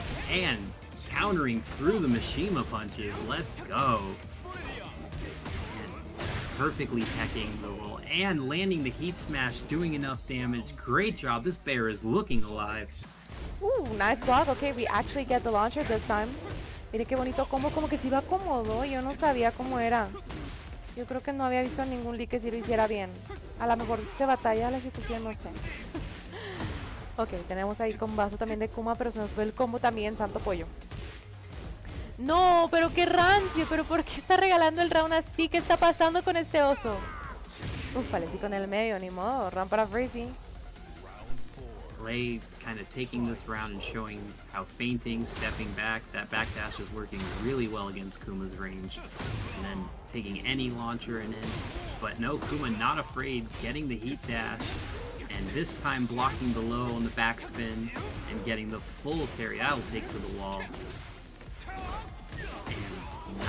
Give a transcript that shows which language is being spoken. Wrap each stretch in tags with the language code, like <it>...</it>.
<en>And countering through the Mishima punches, let's go. And perfectly teching the roll and landing the heat smash, doing enough damage. Great job, this bear is looking alive. Ooh, nice block. Okay, we actually get the launcher this time.</en> <es>Mire que bonito combo, como que se iba cómodo. Yo no sabía cómo era. Yo creo que no había visto ningún Lee que si lo hiciera bien. A lo mejor se batalla la ejecución, no sé. Ok, tenemos ahí con vaso también de Kuma, pero se nos fue el combo también, santo pollo. No, pero qué rancio, pero ¿por qué está regalando el round así? ¿Qué está pasando con este oso? Uf, vale, sí con el medio, ni modo. Round para Freezy.</es> <en>Lay kind of taking this round and showing how fainting, stepping back, that backdash is working really well against Kuma's range. And then taking any launcher and in. But no, Kuma not afraid, getting the heat dash, and this time blocking the low on the backspin and getting the full carry. That'll take to the wall. And</en>